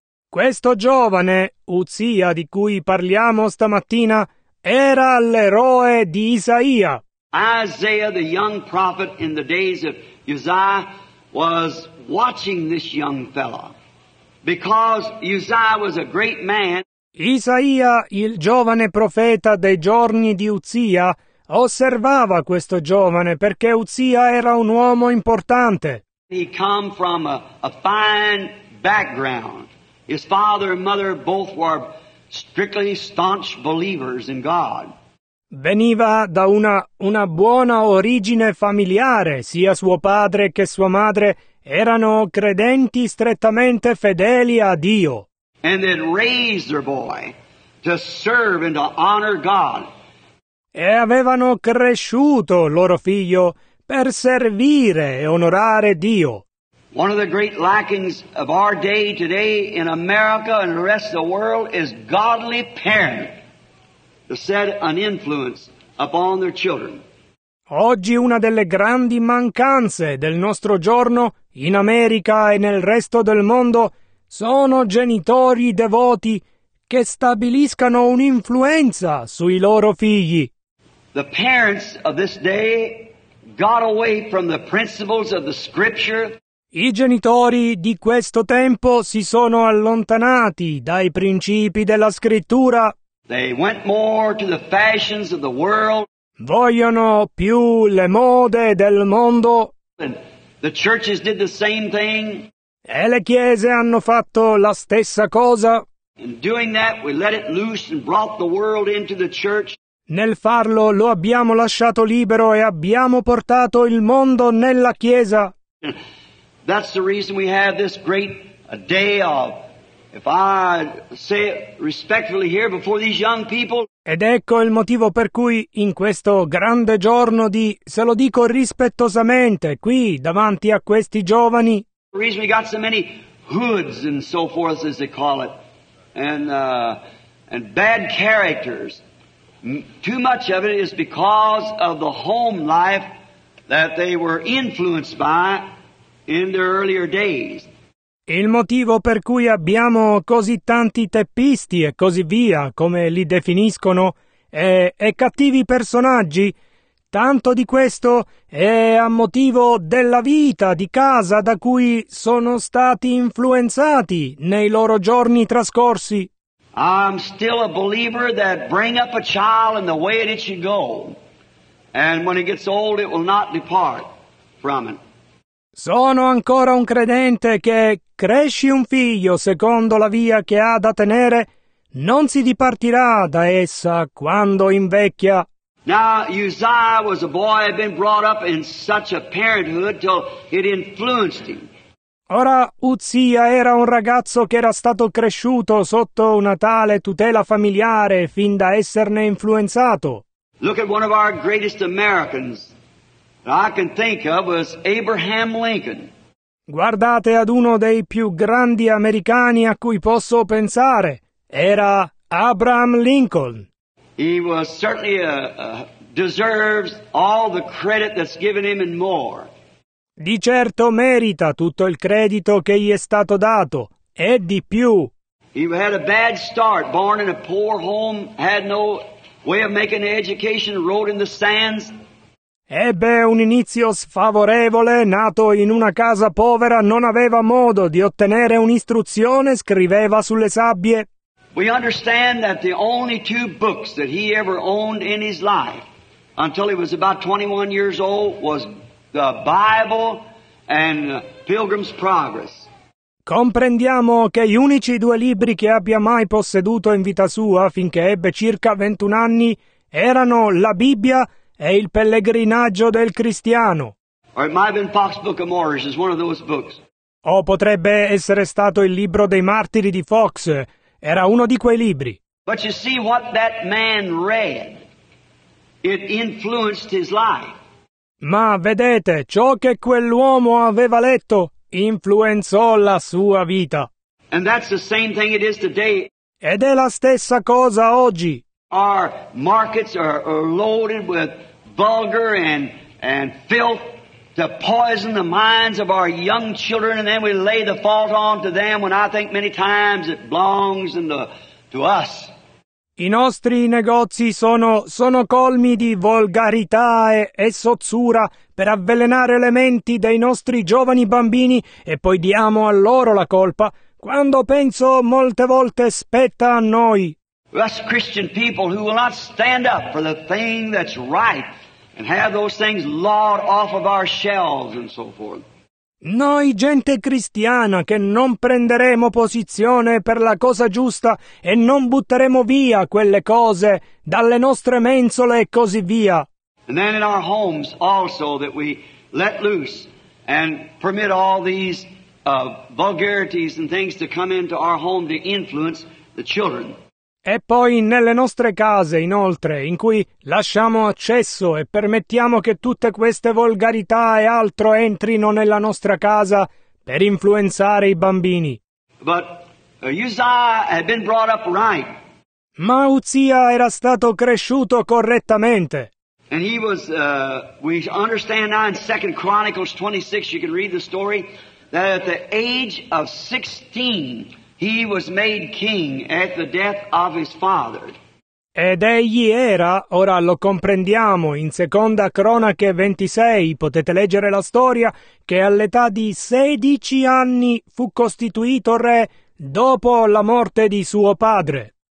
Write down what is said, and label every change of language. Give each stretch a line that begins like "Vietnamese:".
Italian: Questo giovane, Uzzia, di cui parliamo stamattina, era l'eroe di Isaia.
English: Isaiah, the young prophet in the days of Uzziah, was watching this young fellow. Because Uzziah was a great man.
Italian: Isaia, il giovane profeta dei giorni di Uzzia, osservava questo giovane perché Uzzia era un uomo importante.
English: He come from a fine background. His father and mother both were strictly staunch believers in God.
Italian: Veniva da una buona origine familiare, sia suo padre che sua madre erano credenti strettamente fedeli a Dio.
English: And they raised their boy to serve and to honor God.
Italian: E avevano cresciuto loro figlio per servire e onorare Dio.
English: One of the great lackings of our day today in America and the rest of the world is godly parent to set an influence upon their children.
Italian: Oggi una delle grandi mancanze del nostro giorno in America e nel resto del mondo sono genitori devoti che stabiliscano un'influenza sui loro figli.
English: The parents of this day got away from the principles of the scripture.
Italian: I genitori di questo tempo si sono allontanati dai principi della scrittura.
English: They went more to the fashions of the world.
Italian: Vogliono più le mode del mondo.
English: And the churches did the same thing.
Italian: E le chiese hanno fatto la stessa cosa.
English: In doing that, we let it loose and brought the world into the church.
Italian: Nel farlo lo abbiamo lasciato libero e abbiamo portato il mondo nella chiesa.
English: That's the reason we have this great day of, if I say it respectfully here before these young people.
Italian: Ed ecco il motivo per cui in questo grande giorno di, se lo dico rispettosamente, qui davanti a questi giovani.
English: The reason we got so many hoods and so forth, as they call it, and bad characters. Too much of it is because of the home life that they were influenced by in their earlier days.
Italian: Il motivo per cui abbiamo così tanti teppisti e così via, come li definiscono, e cattivi personaggi, tanto di questo è a motivo della vita di casa da cui sono stati influenzati nei loro giorni trascorsi.
English: I'm still a believer that bring up a child in the way that it should go, and when it gets old it will not depart from it.
Italian: Sono ancora un credente che cresci un figlio secondo la via che ha da tenere, non si dipartirà da essa quando invecchia.
English: Now Uzziah was a boy had been brought up in such a parenthood till it influenced him.
Italian: Ora Uzziah era un ragazzo che era stato cresciuto sotto una tale tutela familiare fin da esserne influenzato.
English: Look at one of our greatest Americans that I can think of was Abraham Lincoln.
Italian: Guardate ad uno dei più grandi americani a cui posso pensare. Era Abraham Lincoln.
English: He was certainly deserves all the credit that's given him and more.
Italian: Di certo merita tutto il credito che gli è stato dato, e di più.
English: He had a bad start, born in a poor home, had no way of making an education, wrote in the sands.
Italian: Ebbe un inizio sfavorevole, nato in una casa povera, non aveva modo di ottenere un'istruzione, scriveva sulle sabbie.
English: We understand that the only two books that he ever owned in his life, until he was about 21 years old, was the Bible and Pilgrim's Progress.
Italian: Comprendiamo che gli unici due libri che abbia mai posseduto in vita sua, finché ebbe circa 21 anni, erano la Bibbia e il Pellegrinaggio del Cristiano.
English: Or it might have been Fox Book of Martyrs, is one of those books.
Italian: O potrebbe essere stato il libro dei martiri di Fox. Era uno di quei libri.
English: But you see what that man read. It influenced his life.
Italian: Ma vedete, ciò che quell'uomo aveva letto influenzò la sua vita.
English: And that's the same thing it is today.
Italian: Ed è la stessa cosa oggi.
English: Our markets are loaded with vulgar and filth to poison the minds of our young children, and then we lay the fault on to them, when I think many times it belongs to us.
Italian: I nostri negozi sono colmi di volgarità e sozzura per avvelenare le menti dei nostri giovani bambini, e poi diamo a loro la colpa, quando penso molte volte spetta a noi.
English: Us Christian people who will not stand up for the thing that's right and have those things lawed off of our shelves and so forth.
Italian: Noi gente cristiana che non prenderemo posizione per la cosa giusta e non butteremo via quelle cose dalle nostre mensole e così via.
English: And then in our homes also that we let loose and permit all these vulgarities and things to come into our home to influence the children.
Italian: E poi nelle nostre case, inoltre, in cui lasciamo accesso e permettiamo che tutte queste volgarità e altro entrino nella nostra casa per influenzare i bambini.
English: But Uzziah had been brought up right.
Italian: Ma Uzziah era stato cresciuto correttamente.
English: And he was, we understand now in 2 Chronicles 26, you can read the story, that at the age of 16... he was made king at the death of his father.
Italian: Ed egli era, ora lo comprendiamo, in Seconda Cronache 26, potete leggere la storia, che all'età di 16 anni fu costituito re dopo la morte di suo padre.